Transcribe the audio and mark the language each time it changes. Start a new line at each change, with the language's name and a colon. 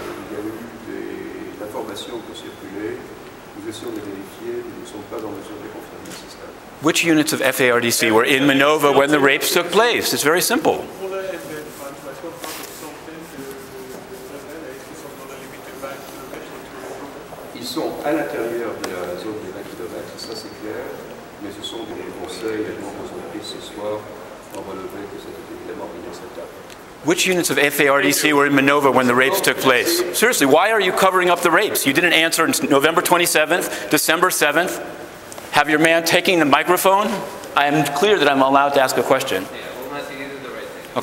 French: Il y a eu des informations qui ont circulé. Nous essayons de vérifier. Nous ne sommes pas en mesure de confirmer ce stade.
English: Which units of FARDC were in Minova when the rapes took place? It's very simple.
French: Ils sont à l'intérieur de la zone des 20 km, ça c'est clair, mais ce sont des conseils des membres de l'Église ce soir ont relevé que c'était évidemment inacceptable.
English: Which units of FARDC were in Minova when the rapes took place? Seriously, why are you covering up the rapes? You didn't answer on November 27th, December 7th. Have your man taking the microphone? I am clear that I'm allowed to ask a question. Yeah, we'll not see you do the right thing.